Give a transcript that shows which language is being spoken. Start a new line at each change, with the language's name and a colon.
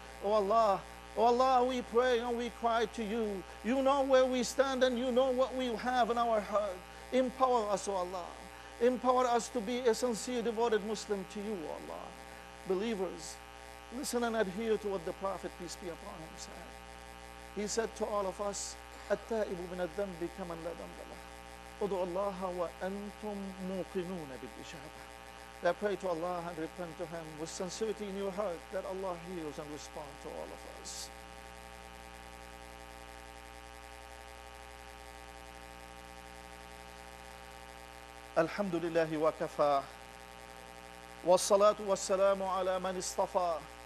English: Oh Allah, we pray and we cry to you. You know where we stand and you know what we have in our heart. Empower us, oh Allah. Empower us to be a sincere, devoted Muslim to you, oh Allah. Believers, listen and adhere to what the Prophet, peace be upon him, said. He said to all of us,
Arabic: التائب من الذنب كمن لا ذنب له. ادعوا الله وأنتم موقنون بالإجابة.
English: They pray to Allah and repent to Him with sincerity in your heart, that Allah heals and responds to all of us.
Arabic: Alhamdulillah wa kafa. Wa salatu wa salamu ala man istafa.